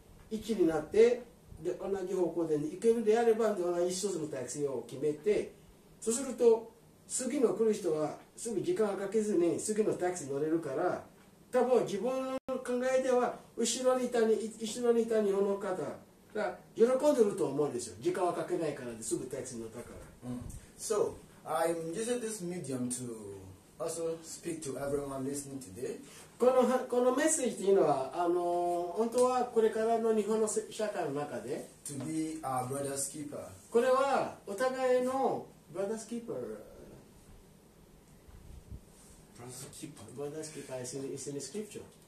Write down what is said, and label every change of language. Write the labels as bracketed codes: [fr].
[ja] 一気になってで同じ方向で行けるであれば同じ一つのタクシーを決めてそうすると次の来る人はすぐ時間をかけずに次のタクシー乗れるから多分自分の考えでは後ろにいた日本の方喜んでると思うんですよ。時間はかけないからですぐタクシーに乗ったから。 Mm. [en] So, I'm using this medium to also speak to everyone listening today. [ja] このメッセージというのは、本当はこれからの日本の社会の中で、 [en] to be our brother's keeper. [ja] これはお互いの [en] brother's keeper。 Brother's keeper。 Brother's keeper is in the scripture.